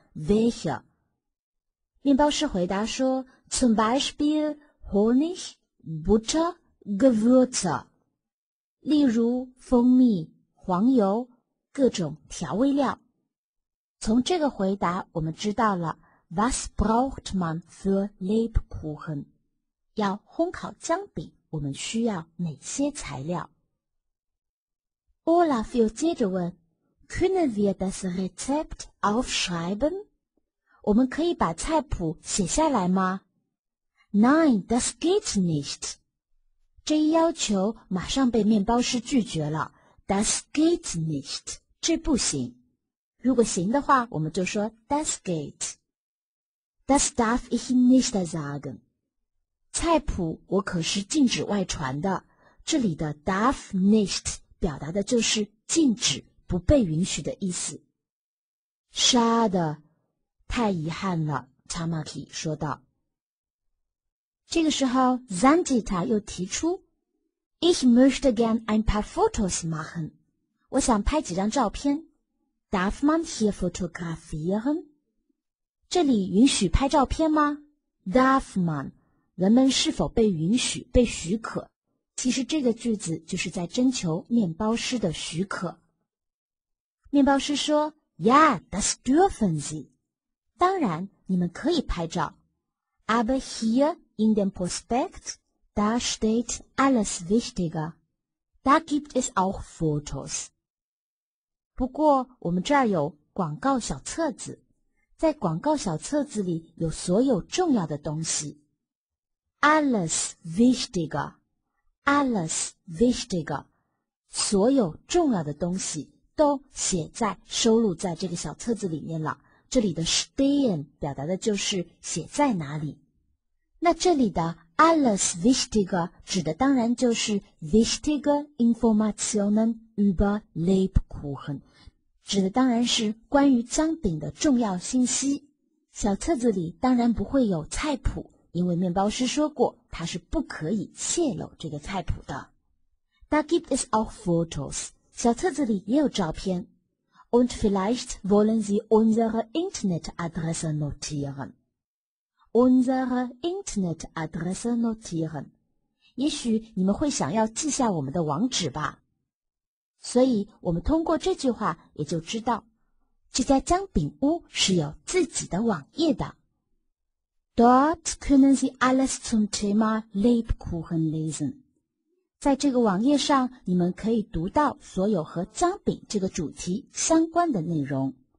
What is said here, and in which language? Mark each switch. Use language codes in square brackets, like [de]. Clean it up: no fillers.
[de] Welche? [zh] 面包师回答说， [de] Zum Beispiel Honig, Butter, Gewürze. [zh] 例如蜂蜜、黄油、各种调味料。从这个回答我们知道了， [de] Was braucht man für Lebkuchen? [zh] 要烘烤姜饼我们需要哪些材料？ [de] Olaf [zh] 又接着问， [de] Können wir das Rezept aufschreiben? [zh] 我们可以把菜谱写下来吗？ [de] Nein, das geht nicht. [zh] 这一要求马上被面包师拒绝了。 [de] Das geht nicht. [zh] 这不行。如果行的话，我们就说 [de] das geht. Das darf ich nicht sagen. [zh] 菜谱我可是禁止外传的，这里的 [de] darf nicht [zh] 表达的就是禁止、不被允许的意思。 [de] Schade， [zh] 太遗憾了， Tamaki 说道。这个时候 Zangita 又提出， [de] Ich möchte gern ein paar Fotos machen， [zh] 我想拍几张照片。 [de] Darf man hier fotografieren？ [zh] 这里允许拍照片吗？ [de] Darf man， [zh] 人们是否被允许、被许可？其实这个句子就是在征求面包师的许可。面包师说 [de] ：“Ja, das dürfen Sie。” [zh] 当然，你们可以拍照。 [de] Aber hier in dem Prospekt da steht alles Wichtige. Da gibt es auch Fotos. [zh] 不过，我们这儿有广告小册子，在广告小册子里有所有重要的东西。 [de] alles wichtiger, alles wichtiger, [zh] 所有重要的东西都写在收录在这个小册子里面了。这里的 stehen 表达的就是写在哪里。那这里的 alles wichtiger 指的当然就是 [de] wichtige Informationen über Lebkuchen， [zh] 指的当然是关于姜饼的重要信息。小册子里当然不会有菜谱，因为面包师说过他是不可以泄露这个菜谱的。 [de] Da gibt es auch Fotos， [zh] 小册子里也有照片。 [de] Und vielleicht wollen Sie unsere Internetadresse notieren. Unsere Internetadresse notieren. [zh] 也许你们会想要记下我们的网址吧。所以我们通过这句话也就知道，这家姜饼屋是有自己的网页的。 [de] Dort können Sie alles zum Thema Lebkuchen lesen. [zh] 在这个网页上，你们可以读到所有和姜饼这个主题相关的内容。